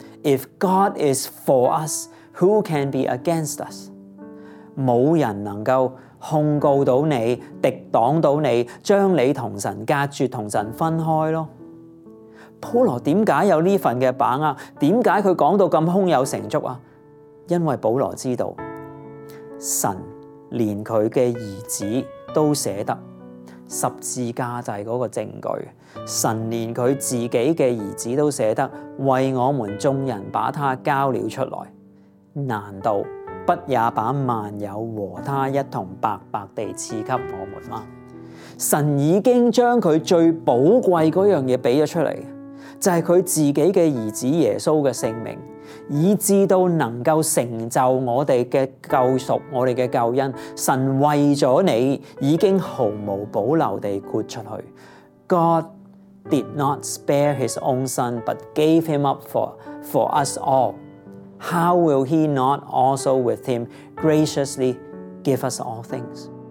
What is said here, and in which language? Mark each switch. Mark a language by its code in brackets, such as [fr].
[en] If God is for us, who can be against us？ [yue] 没有人能够控告到你，敌挡到你，将你跟神隔绝，跟神分开咯。保罗为什么有这份的把握？为什么他讲到这么胸有成竹？因为保罗知道神连他的儿子都舍得，十字架就是那个证据，神连他自己的儿子都舍得为我们众人把他交了出来，难道不也把万有和他一同白白地赐给我们吗？神已经将他最宝贵的那样东西给了出来，就是他自己的儿子耶稣的圣名，以致到能够成就我们的救赎，我们的救恩。神为了你已经毫无保留地豁出去。 [en] God did not spare his own son but gave him up for us all. How will he not also with him graciously give us all things?